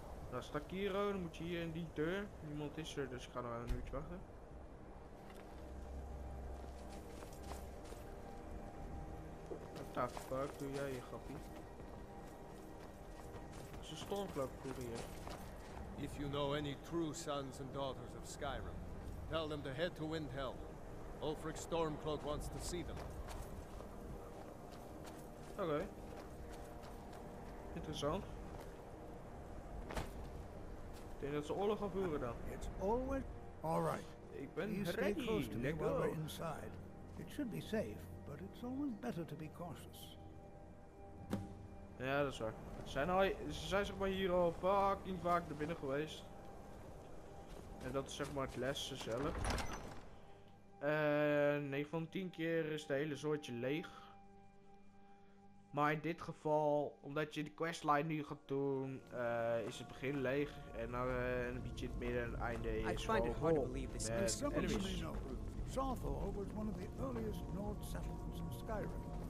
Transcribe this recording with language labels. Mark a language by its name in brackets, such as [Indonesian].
[Dutch] Dan sta ik hier, dan moet je hier in die deur. Niemand is er, dus ik ga nog wel een uurtje wachten. [English] What the fuck [Dutch] doe jij hier, grappie? Het is een stormcloak voor hier. [English] If you know any true sons and daughters of Skyrim, tell them to head to Windhelm. Ulfric Stormcloak wants to see them. [Dutch] Oké. Okay. Interessant. Ik denk dat ze oorlog gaan voeren dan. [English] It's always all right. [Dutch] Ik ben ready. [English] Let go. While we're inside. It should be safe, but it's always better to be cautious. [Dutch] Ja, dat is waar. Ze zijn zeg maar hier al fucking vaak naar binnen geweest. En dat is zeg maar het lesje zelf. 9 van 10 keer is de hele soortje leeg. Maar in dit geval, omdat je de questline nu gaat doen, is het begin leeg en dan een beetje het midden en het einde is gewoon vol met enemies. [English] Sarthor was one of the earliest Nord settlements in Skyrim.